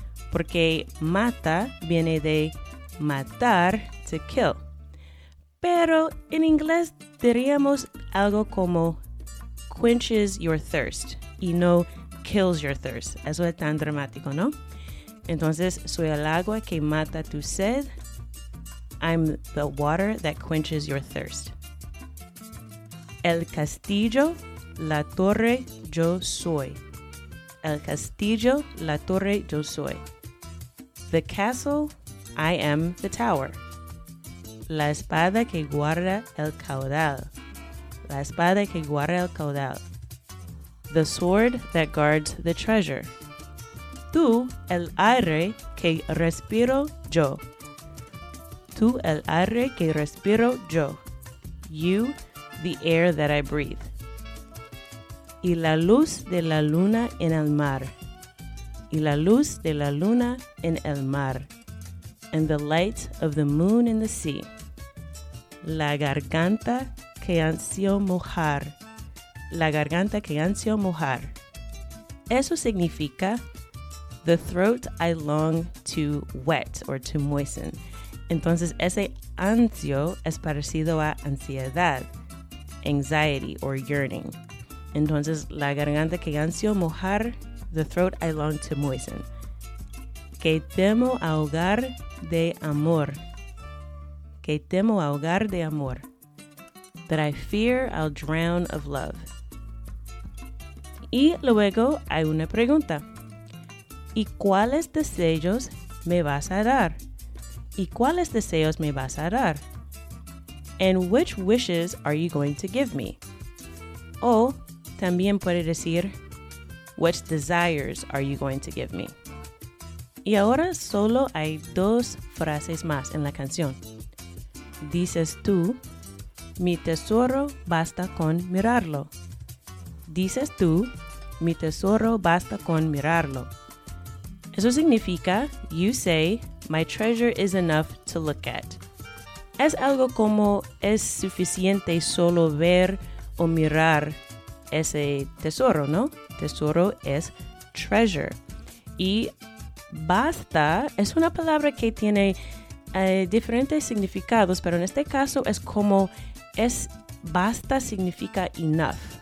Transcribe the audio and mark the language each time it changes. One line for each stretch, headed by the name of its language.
Spanish: Porque mata viene de matar,
English: to kill.
Spanish: Pero en inglés diríamos algo como
English: quenches your thirst
Spanish: y no
English: kills your thirst.
Spanish: Eso es tan dramático, ¿no? Entonces, soy el agua que mata tu sed.
English: I'm the water that quenches your thirst.
Spanish: El castillo, la torre, yo soy. El castillo, la torre, yo soy.
English: The castle, I am the tower.
Spanish: La espada que guarda el caudal. La espada que guarda el caudal.
English: The sword that guards the treasure.
Spanish: Tú, el aire que respiro yo. Tú, el aire que respiro yo.
English: You, the air that I breathe.
Spanish: Y la luz de la luna en el mar. Y la luz de la luna en el mar.
English: And the light of the moon in the sea.
Spanish: La garganta que ansió mojar. La garganta que ansió mojar. Eso significa
English: the throat I long to wet or to moisten.
Spanish: Entonces, ese ansio es parecido a ansiedad,
English: anxiety or yearning.
Spanish: Entonces, la garganta que ansio mojar,
English: the throat I long to moisten.
Spanish: Que temo ahogar de amor. Que temo ahogar de amor.
English: That I fear I'll drown of love.
Spanish: Y luego hay una pregunta. ¿Y cuáles deseos me vas a dar? ¿Y cuáles deseos me vas a dar?
English: And which wishes are you going to give me?
Spanish: O también puede decir,
English: which desires are you going to give me?
Spanish: Y ahora solo hay dos frases más en la canción. Dices tú, mi tesoro basta con mirarlo. Dices tú, mi tesoro basta con mirarlo. Eso significa,
English: you say, my treasure is enough to look at.
Spanish: Es algo como, es suficiente solo ver o mirar ese tesoro, ¿no? Tesoro es treasure. Y basta es una palabra que tiene diferentes significados, pero en este caso es como, es basta significa enough.